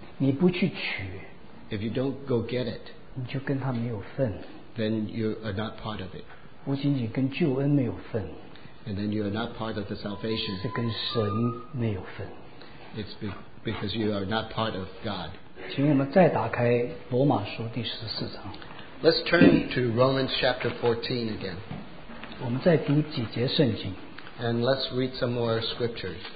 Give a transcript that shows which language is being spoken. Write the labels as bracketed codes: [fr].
[zh] 你不去取, [en] if you don't go get it, [zh] 你就跟他没有份, [en] then you are not part of it. [zh] 不仅仅跟救恩没有份, [en] and then you are not part of the salvation. [zh] 是跟神没有份, [en] it's because you are not part of God. [zh] 请我们再打开罗马书第十四章。 [en] Let's turn to Romans chapter 14 again. [zh] 我们再读几节圣经。 [en] And let's read some more scriptures.